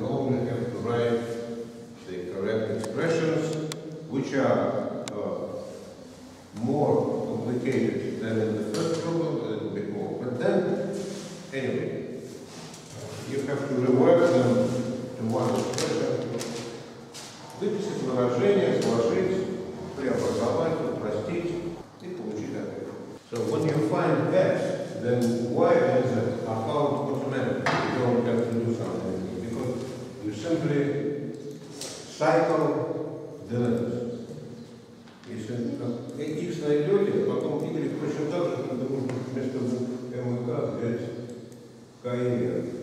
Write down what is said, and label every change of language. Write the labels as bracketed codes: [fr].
[en] We only have to write the correct expressions, which are more complicated than in the first problem, a little bit more. But then, anyway, you have to rework them to one expression. [ru] Выписать выражение, сложить, преобразовать, упростить и получить ответ. [en] So when you find X, then Y as a found automatically. You don't have to do something because you simply cycle the letters. [ru] Если X найдете, потом Y точно так же, потому что вместо M и K взять K и R.